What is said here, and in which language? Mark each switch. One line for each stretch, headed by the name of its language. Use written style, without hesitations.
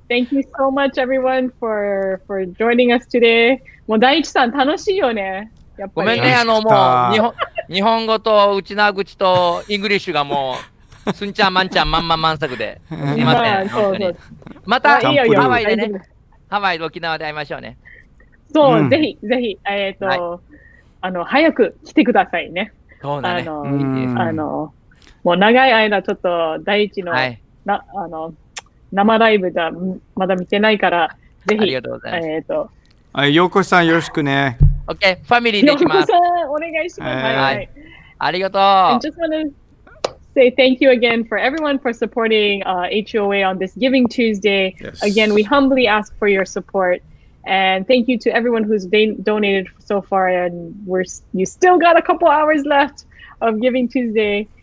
English: Thank you so much, everyone, for joining us today.
Japanese: もう大地さん楽しいよね。ごめんね、もう日本語とうちなぐちとイングリッシュがもうすんちゃんまんちゃんまんまん満足で。すいません。またハワイでね。ハワイ、沖縄で会いましょうね。そう、ぜひぜひ、はい、早く来てくださいね。そうだね。もう長い間ちょっと大地の、はい、生ライブじゃまだ見てないから、ぜひありがとうございます。はい、ようこさんよろしくね。 OK、ファミリーでします。ようこさんお願いします。はい、ありがとう。
English: Say thank you again for everyone for supporting HUOA on this Giving Tuesday. Yes. Again, we humbly ask for your support. And thank you to everyone who's donated so far. And you still got a couple hours left of Giving Tuesday.